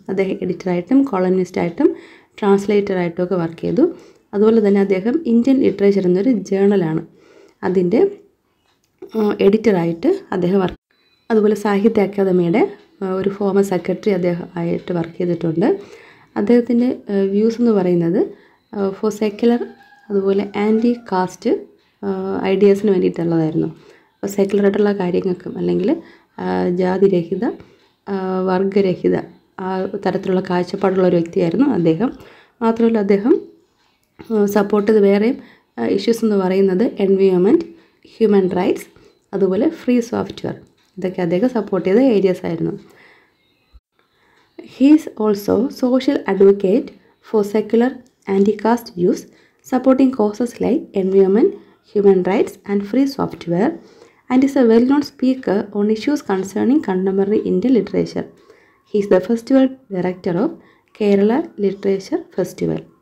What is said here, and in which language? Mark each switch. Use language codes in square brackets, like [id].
[ml] Adekham editor aayittum columnist aayittum translator aayittum okke work cheythu. Adupole thanne adekham Indian literature ennoru journal aanu. Adinte editor aayittu adekham work. Adupole Sahitya Academyde oru former secretary adekham aayittu work cheythittundu. അദ്ദേഹത്തിൻ്റെ views എന്ന് പറയുന്നത് four secular അതുപോലെ anti cast ഐഡിയാസിന് വേണ്ടിയിട്ടുള്ളതായിരുന്നു. അപ്പോൾ secular ആയിട്ടുള്ള കാര്യങ്ങൾക്കും അല്ലെങ്കിൽ ജാതിരഹിത വർഗരഹിത ആ തരത്തിലുള്ള കാഴ്ചപ്പാടുള്ള ഒരു വ്യക്തിയായിരുന്നു അദ്ദേഹം. മാത്രമല്ല അദ്ദേഹം സപ്പോർട്ട് ചെയ്ത് വേറെയും ഇഷ്യൂസ് എന്ന് പറയുന്നത് എൻവയോൺമെൻറ്റ്, ഹ്യൂമൻ റൈറ്റ്സ്, അതുപോലെ ഫ്രീ സോഫ്റ്റ്വെയർ, ഇതൊക്കെ അദ്ദേഹം സപ്പോർട്ട് ചെയ്ത ഏരിയാസ് ആയിരുന്നു. [en] He is also social advocate for secular anti-caste views, supporting causes like environment, human rights and free software, and is a well-known speaker on issues concerning contemporary Indian literature. He is the festival director of Kerala Literature Festival.